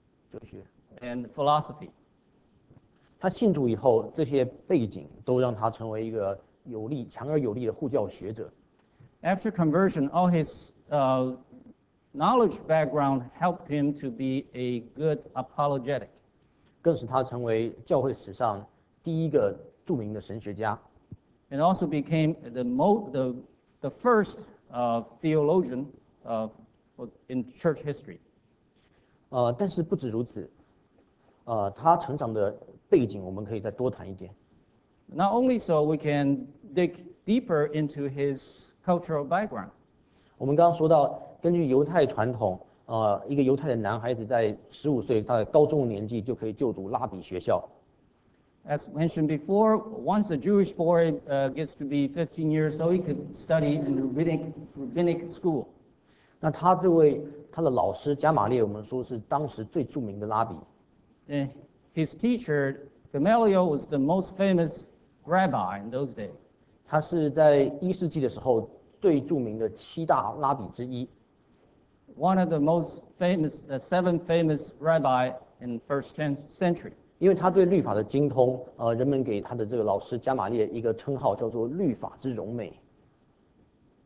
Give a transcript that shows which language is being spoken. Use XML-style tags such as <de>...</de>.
<zh>哲学</zh> <en>and philosophy.</en> <zh>他信主以后，这些背景都让他成为一个有力、强而有力的护教学者。</zh> <en>After conversion, all his knowledge background helped him to be a good apologetic.</en> <zh>更使他成为教会史上第一个著名的神学家。</zh> <en>And also became the first theologian in church history.</en> <zh>但是不止如此，他成长的背景我们可以再多谈一点。</zh> <en>Not only so, we can dig deeper into his cultural background.</en> <zh>我们刚刚说到，根据犹太传统，一个犹太的男孩子在十五岁，他的高中年纪就可以就读拉比学校。</zh> <en>As mentioned before, once a Jewish boy gets to be 15 years old, he could study in the rabbinic school.</en> <zh>那他这位他的老师加马列，我们说是当时最著名的拉比。</zh> <en>And his teacher Gamaliel was the most famous rabbi in those days.</en> <zh>他是在一世纪的时候最著名的七大拉比之一。</zh> <en>One of the most famous, seven famous rabbi in first century.</en> <zh>因为他对律法的精通，人们给他的这个老师加马列一个称号，叫做“律法之荣美”。</zh>